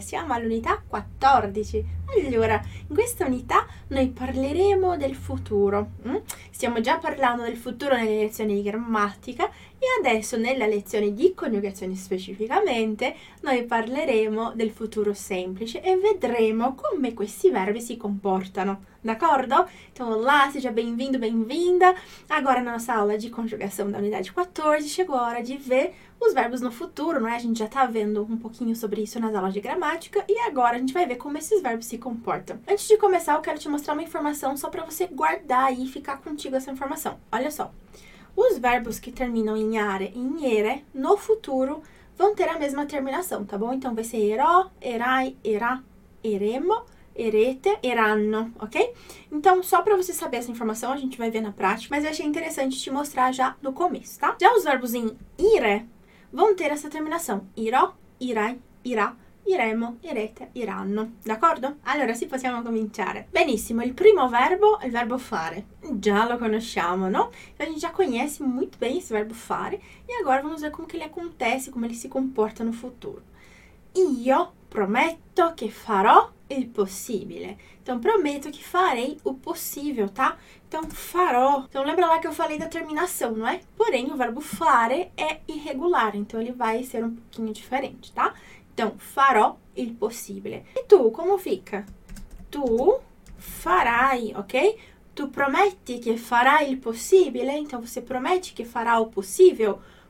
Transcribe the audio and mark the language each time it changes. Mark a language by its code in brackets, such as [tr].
[it] Siamo all'unità 14. Allora, in questa unità noi parleremo del futuro. Stiamo già parlando del futuro nelle lezioni di grammatica e adesso nella lezione di coniugazione specificamente noi parleremo del futuro semplice e vedremo come questi verbi si comportano. D'accordo? [pt] Então, olá, seja bem-vindo, bem-vinda. Agora na nossa aula de conjugação da unidade 14, chegou a hora de ver os verbos no futuro, não é? A gente já está vendo um pouquinho sobre isso nas aulas de gramática e agora a gente vai ver como esses verbos se comportam. Antes de começar, eu quero te mostrar uma informação só para você guardar aí e ficar contigo essa informação. Olha só. Os verbos que terminam em are e em ere, no futuro, vão ter a mesma terminação, tá bom? Então, vai ser erò, erai, erà, eremo, erete, eranno, ok? Então, só para você saber essa informação, a gente vai ver na prática, mas eu achei interessante te mostrar já no começo, tá? Já os verbos em ire vão ter essa terminação: irò, irai, irà, iremo, irete, iranno, d'accordo? [it] Allora, sì, possiamo cominciare. Benissimo, il primo verbo è il verbo fare. Già lo conosciamo, no? [pt] A gente [it] già conosce molto bene questo verbo fare. [pt] E agora vamos ver come ele acontece, come ele si comporta no futuro. [it] Io prometto che farò il possibile. [pt] Então, [it] prometto che [pt] farei o possível, tá? Então, farò. Então, lembra lá que eu falei da terminação, não é? Porém, o verbo fare é irregular, então ele vai ser um pouquinho diferente, tá? [it] Então, farò il possibile. E tu, come fica? Tu farai, ok? Tu prometti che farai il possibile? [pt] Então, você promete che farà o possível?